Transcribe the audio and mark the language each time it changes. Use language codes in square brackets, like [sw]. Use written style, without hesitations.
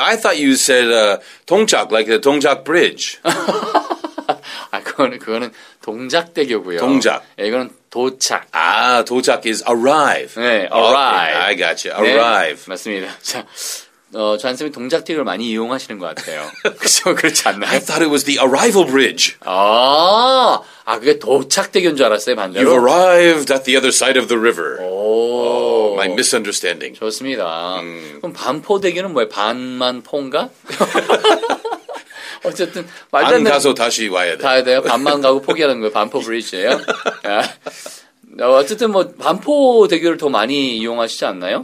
[en] I thought you said 동작, like the 동작 bridge. [ko] 아, 그거는 동작대교고요. 동작. 예, 이거는 도착. [en] 아, 도착 is arrive. [ko] 네, arrive. [en] Okay, I got you. Arrive. [ko] 네, 맞습니다. 자, 전쌤이 동작대교를 많이 이용하시는 것 같아요. 그렇죠, 그렇지 않나요? [en] I thought it was the arrival bridge. [ko] 아, 그게 도착대교인 줄 알았어요, 반대로. [en] You arrived at the other side of the river. [ko] 오, [en] my misunderstanding. [ko] 좋습니다. 그럼 반포대교는 뭐예요? 반만포인가? 어쨌든 안 가서 다시 와야 돼. 가야 돼요. 반만 가고 포기하는 거예요. 반포 브릿지예요. 어쨌든 뭐 반포 대교를 더 많이 이용하시지 않나요?